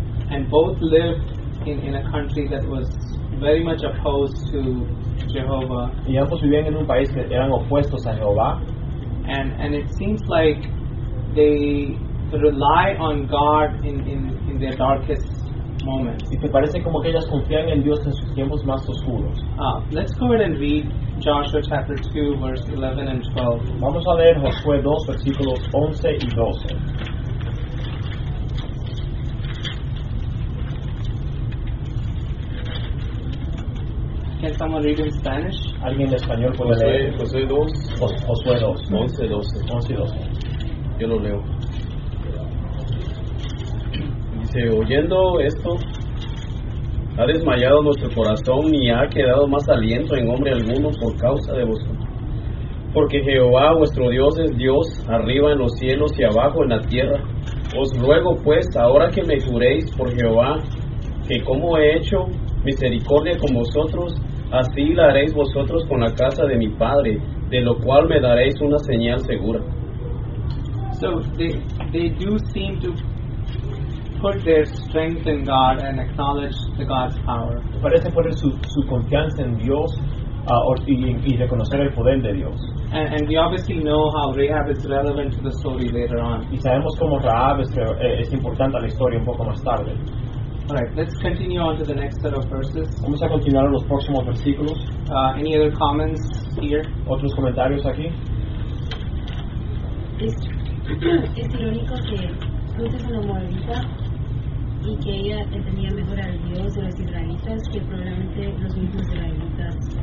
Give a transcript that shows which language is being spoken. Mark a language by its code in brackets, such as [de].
[en] And both lived in a country that was very much opposed to Jehovah. [es] Y ambos vivían en un país que eran opuestos a Jehová. [en] And it seems like they rely on God in their darkest moments. [es] Y te parece como que ellas confían en Dios en sus tiempos más oscuros. [en] Let's go ahead and read Joshua chapter 2, verse 11 and 12. [es] Vamos a leer Josué 2, versículos 11 y 12. [en] Can someone read in Spanish? [es] ¿Alguien en español puede leer? Josué 2. Josué 2. 11 y 12. 11 y 12. Yo lo leo. Dice, oyendo esto, ha desmayado nuestro corazón y ha quedado más aliento en hombre alguno por causa de vosotros. Porque Jehová vuestro Dios es Dios arriba en los cielos y abajo en la tierra. Os ruego pues, ahora que me juréis por Jehová, que como he hecho misericordia con vosotros, así la haréis vosotros con la casa de mi padre, de lo cual me daréis una señal segura. [en] So they do seem to put their strength in God and acknowledge the God's power. [es] Parece poner su confianza en Dios. Y reconocer el poder de Dios. [en] And we obviously know how Rahab is relevant to the story later on. [es] Y sabemos cómo Rahab es importante a la historia un poco más tarde. [en] All right, let's continue on to the next set of verses. [es] Vamos a continuar los próximos versículos. [en] Any other comments here? [es] Otros comentarios aquí. Es irónico que Ruth es una moabita y que ella entendía mejor al Dios de los israelitas que probablemente los mismos israelitas.